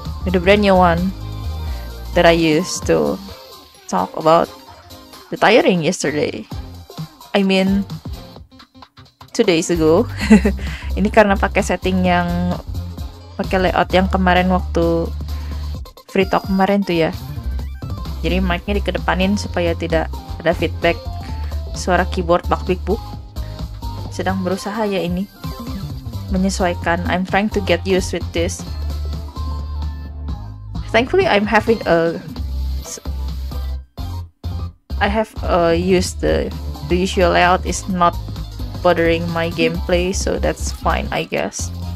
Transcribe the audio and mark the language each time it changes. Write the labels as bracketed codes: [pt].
[en] The brand new one that I used to talk about the tiring yesterday. I mean, 2 days ago. [id] Ini karena pakai setting yang pakai layout yang kemarin waktu free talk kemarin tuh ya. Jadi mic-nya dikedepanin supaya tidak ada feedback suara keyboard bak-bik-buk. Sedang berusaha ya ini menyesuaikan. [en] I'm trying to get used with this. Thankfully I'm having a used the usual layout is not bothering my gameplay, so that's fine, I guess.